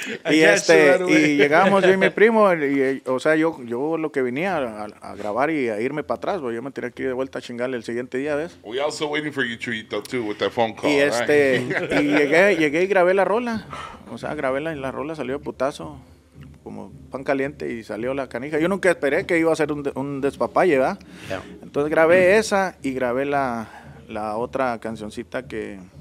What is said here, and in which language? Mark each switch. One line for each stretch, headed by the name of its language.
Spanish: Y y llegamos yo y mi primo, yo lo que venía a grabar y a irme para atrás, yo me tenía que ir de vuelta a chingarle el siguiente día, ¿ves?
English: We also waiting for you, Chuyito, too, with that phone call. Y y llegué y grabé la rola, la rola salió putazo, como pan caliente y salió la canija.
Spanish: Yo nunca esperé que iba a ser un despapalle, ¿verdad?
English: Yeah.
Spanish: Entonces grabé esa y grabé la otra cancioncita que...